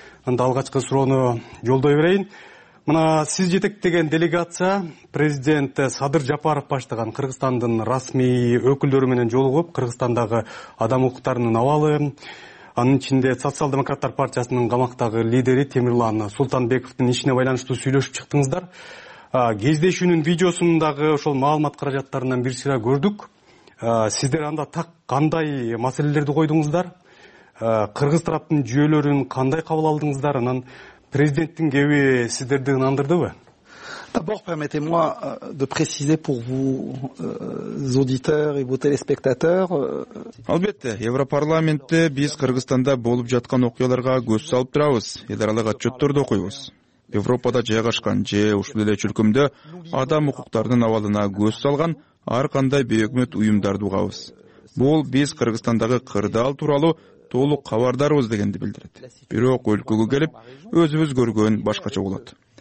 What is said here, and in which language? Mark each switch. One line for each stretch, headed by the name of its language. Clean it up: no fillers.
Kyrgyz: Анда алгачкы суроону жолдой берейин. Мына сиз жетектеген делегация президент Садыр Жапаров баштаган Кыргызстандын расмий өкүлдөрү менен жолугуп, Кыргызстандагы адам укуктарынын абалы, анын ичинде социал демократтар партиясынын камактагы лидери Темирлан Султанбековдун ишине байланыштуу сүйлөшүп чыктыңыздар. Кездешүүнүн видеосундагы ошол маалымат каражаттарынан бир сыйра көрдүк. Сиздер анда так кандай маселелерди койдуңуздар? Кыргыз тараптын жүйөлөрүн кандай кабыл алдыңыздар? Анан президенттин кеби сиздерди ынандырдыбы?
French: D'abord, permettez-moi de préciser pour vous auditeurs et vos téléspectateurs.
Kyrgyz: Албетте, Европарламентте биз Кыргызстанда болуп жаткан окуяларга көз салып турабыз, эдаралык отчётторду окуйбуз. Европада жайгашкан же ушул эле чөлкөмдө адам укуктарынын абалына көз салган ар кандай бейөкмөт уюмдарды угабыз. Бул биз Кыргызстандагы кырдаал тууралуу толук кабардарбыз дегенди билдирет. Бирок өлкөгө келип, өзүбүз көргөн башкача болот.